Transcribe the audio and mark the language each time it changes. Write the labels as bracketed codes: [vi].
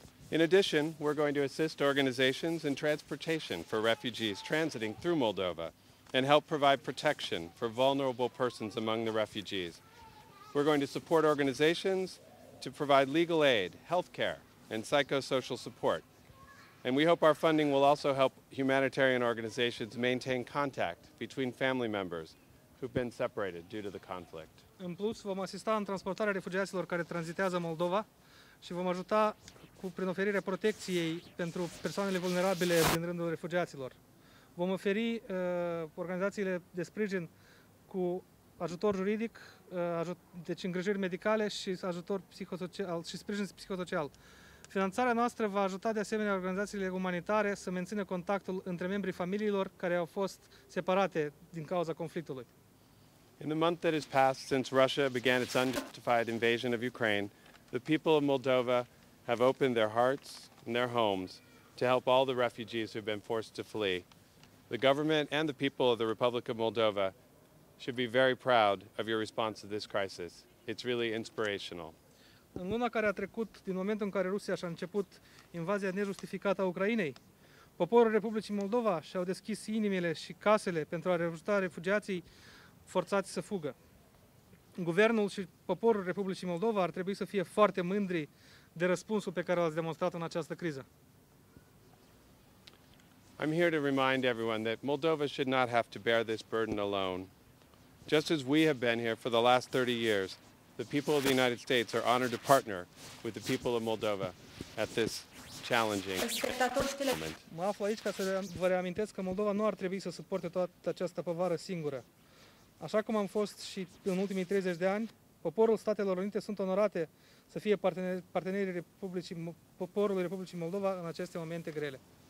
[en] In addition, we're going to assist organizations in transportation for refugees transiting through Moldova and help provide protection for vulnerable persons among the refugees. We're going to support organizations to provide legal aid, healthcare, and psychosocial support. And we hope our funding will also help humanitarian organizations maintain contact between family members who've been separated due to the conflict. [ro] În plus, vom asista în transportarea refugiaților care tranzitează Moldova și vom ajuta prin oferirea protecției pentru persoanele vulnerabile din rândul refugiaților. Vom oferi organizațiile de sprijin cu ajutor juridic, deci îngrijiri medicale și ajutor psihosocial și sprijin psihosocial. Finanțarea noastră va ajuta de asemenea organizațiile umanitare să mențină contactul între membrii familiilor care au fost separate din cauza conflictului. [en] In the month that has passed since Russia began its unjustified invasion of Ukraine, the people of Moldova have opened their hearts and their homes to help all the refugees who have been forced to flee. The government and the people of the Republic of Moldova should be very proud of your response to this crisis. It's really inspirational. [ro] În luna care a trecut, din momentul în care Rusia și-a început invazia nejustificată a Ucrainei, poporul Republicii Moldova și-au deschis inimile și casele pentru a ajuta refugiații forțați să fugă. Guvernul și poporul Republicii Moldova ar trebui să fie foarte mândri de răspunsul pe care l-ați demonstrat în această criză. [en] I'm here to remind everyone that Moldova should not have to bear this burden alone. Just as we have been here for the last 30 years, the people of the United States are honored to partner with the people of Moldova at this challenging moment. [ro] Mă aflu aici ca să vă reamintesc că Moldova nu ar trebui să suporte toată această povară singură. Așa cum am fost și în ultimii 30 de ani, poporul Statelor Unite sunt onorate să fie partenerii poporului Republicii Moldova în aceste momente grele.